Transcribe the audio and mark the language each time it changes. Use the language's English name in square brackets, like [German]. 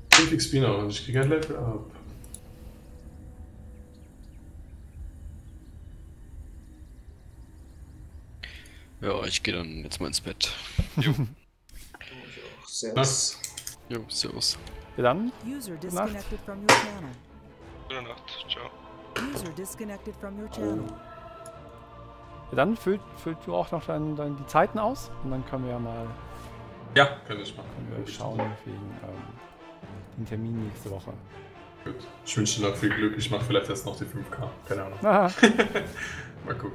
[German] Ich XP noch und ich krieg ein Level up. Ja, ich geh dann jetzt mal ins Bett. Jo. Servus. Jo, servus. Bis dann. [English] User disconnected from your channel. [German] Gute Nacht, ciao. [English] User disconnected from your channel. [German] Ja, dann füllt du auch noch dann die Zeiten aus und dann können wir ja mal Ja, können wir machen. Wir schauen wegen den Termin nächste Woche. Gut. Ich wünsche dir noch viel Glück. Ich mache vielleicht erst noch die 5K. Keine Ahnung. Mal gucken.